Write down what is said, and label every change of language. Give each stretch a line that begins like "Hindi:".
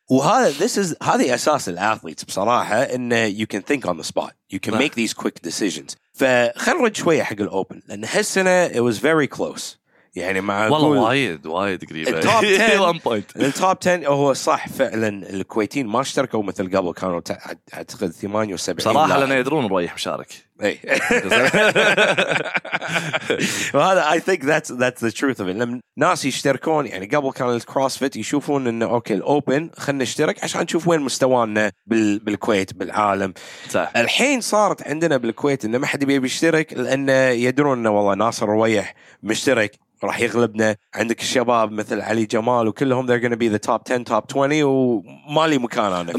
Arabic: وهذا
English: this is
Arabic: هذه أساس الأثليت بصراحة إن
English: you can think on the spot, you can make these quick decisions.
Arabic: فخرج شوية حق الأوبن لأن هالسنة
English: it was very close
Arabic: يعني مع والله وايد وايد قريبة. التوب 10 التوب 10 هو صح فعلا الكويتين ما اشتركوا مثل قبل كانوا أعتقد 78 صراحة لأن يدرون الرويح مشارك.
English: Well, I think that's the truth of it.
Arabic: ناس يشتركون يعني قبل كان الكروسفيت يشوفون إنه أوكي الأوبن خلنا نشترك عشان نشوف وين مستوانا بالكويت بالعالم. الحين صارت عندنا بالكويت إنه ما حد يبي يشترك لأن يدرون إنه والله ناصر رويح مشترك راح يغلبنا. عندك الشباب مثل علي جمال وكلهم
English: they're gonna be the top 10 top 20
Arabic: ومالي مكان أنا.